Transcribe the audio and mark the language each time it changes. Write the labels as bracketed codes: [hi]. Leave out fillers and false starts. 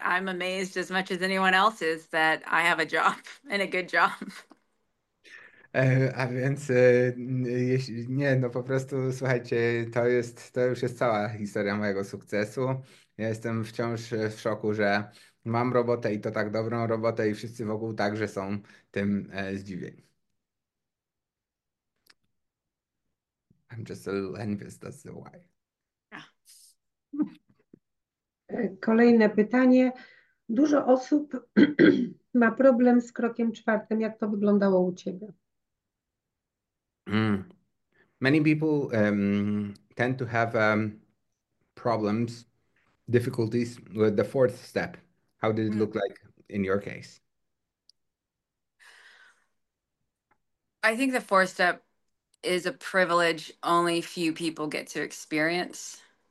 [en] I'm amazed as much as anyone else is that I have a job and a good job. [pl] A więc jeśli nie, no po prostu słuchajcie, to już jest cała historia mojego sukcesu. Ja jestem wciąż w szoku, że mam robotę i to tak dobrą robotę i wszyscy wokół także są tym zdziwieni. [en] I'm just a little envious, that's the why. [pl] Kolejne pytanie. Dużo osób ma problem z krokiem czwartym. Jak to wyglądało u ciebie? [en] Many people tend to have problems, difficulties with the fourth step. How did it look like in your case? I think the fourth step is a privilege only few people get to experience.